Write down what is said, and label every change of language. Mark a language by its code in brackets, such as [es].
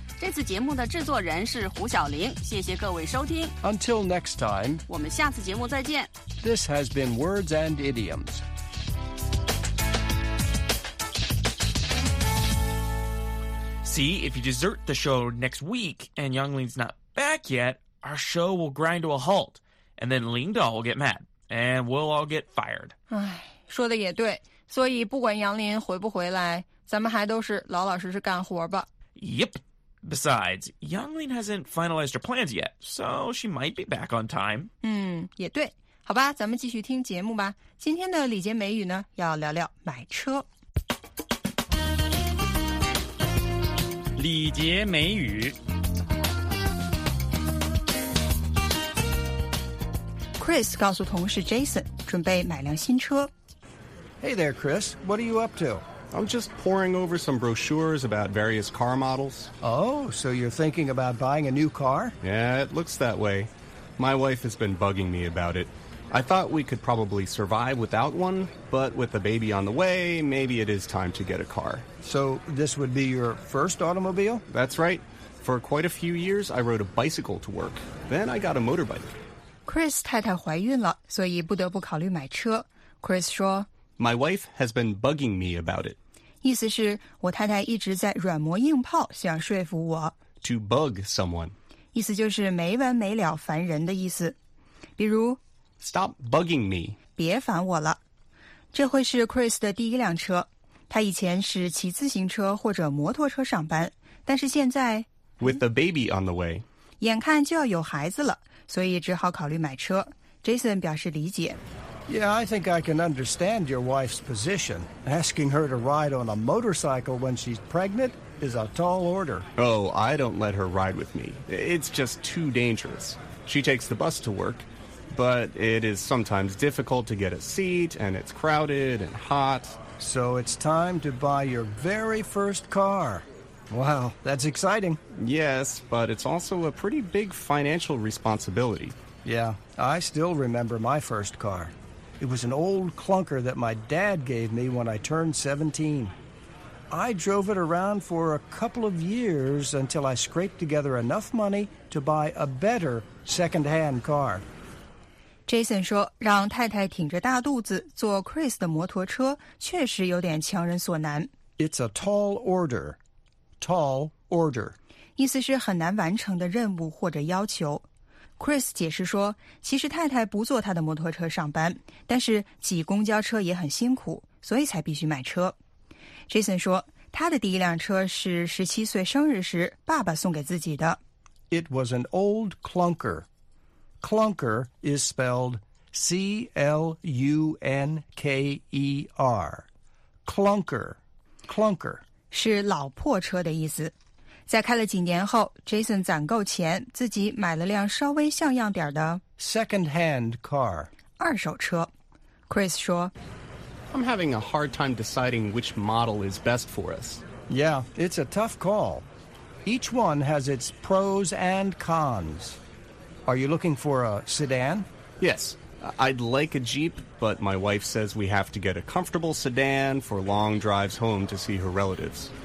[zh] 这次节目的制作人是胡晓玲，谢谢各位收听。 [en] Until next time， [zh] 我们下次节目再见。 [en] This has been Words and Idioms。 See if you desert the show next week and Youngling's not back yet, our show will grind to a halt, and then Ling Dao will get mad, and we'll all get fired。 [zh] 唉，说的也对。所以不管杨林回不回来，咱们还都是老老实实干活吧。 [en] Yep. Besides, Yang Lin hasn't finalized her plans yet, so she might be back on time. [zh] 也对。好吧，咱们继续听节目吧。今天的礼节美语呢，要聊聊买车。礼节美语。 Chris 告诉同事 Jason， 准备买辆新车。 [en] Hey there, Chris. What are you up to? I'm just poring over some brochures about various car models. Oh, so you're thinking about buying a new car? Yeah, it looks that way. My wife has been bugging me about it. I thought we could probably survive without one, but with a baby on the way, maybe it is time to get a car. So this would be your first automobile? That's right. For quite a few years, I rode a bicycle to work. Then I got a motorbike. [zh] Chris 太太怀孕了，所以不得不考虑买车。 Chris 说 [en] My wife has been bugging me about it. [zh] 意思是我太太一直在软磨硬泡想说服我。 [en] To bug someone. [zh] 意思就是没完没了烦人的意思。比如 [en] Stop bugging me. [zh] 别烦我了。这会是 Chris 的第一辆车。他以前是骑自行车或者摩托车上班。但是现在 [en] With a baby on the way. [zh] 眼看就要有孩子了，所以只好考虑买车。 Jason 表示理解。 [en] Yeah, I think I can understand your wife's position. Asking her to ride on a motorcycle when she's pregnant is a tall order. Oh, I don't let her ride with me. It's just too dangerous. She takes the bus to work, but it is sometimes difficult to get a seat, and it's crowded and hot. So it's time to buy your very first car. Wow, that's exciting. Yes, but it's also a pretty big financial responsibility. Yeah, I still remember my first car. It was an old clunker that my dad gave me when I turned 17. I drove it around for a couple of years until I scraped together enough money to buy a better second-hand car. [zh] Jason 说，让太太挺着大肚子坐 Chris 的摩托车确实有点强人所难。 [en] It's a tall order. Tall order. [zh] 意思是很难完成的任务或者要求。Chris 解释说，其实太太不坐他的摩托车上班，但是挤公交车也很辛苦，所以才必须买车。 Jason 说，他的第一辆车是17岁生日时爸爸送给自己的。 [en] It was an old clunker. Clunker is spelled C-L-U-N-K-E-R. Clunker, clunker. [zh] 是老破车的意思。在开了几年后 ,Jason 攒够钱自己买了辆稍微像样点的 [en] Second-hand car. [zh] 二手车。Chris 说 [en] I'm having a hard time deciding which model is best for us. Yeah, it's a tough call. Each one has its pros and cons. Are you looking for a sedan? Yes, I'd like a Jeep, but my wife says we have to get a comfortable sedan for long drives home to see her relatives.